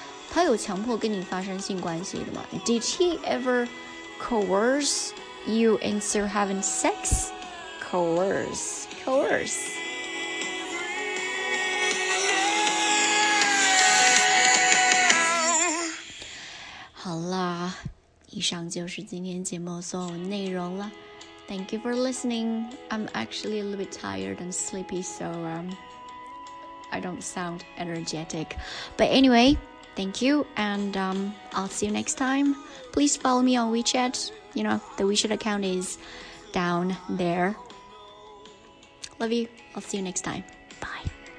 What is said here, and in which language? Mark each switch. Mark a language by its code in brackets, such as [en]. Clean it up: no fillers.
[zh] 他有强迫跟你发生性关系的吗？ [en] Did he ever coerce you into having sex? Coerce. [zh] 好啦，以上就是今天节目所有内容了。 [en] Thank you for listening. I'm actually a little bit tired and sleepy, so I don't sound energetic. But anyway, thank you, and I'll see you next time. Please follow me on WeChat. You know, the WeChat account is down there. Love you. I'll see you next time. Bye.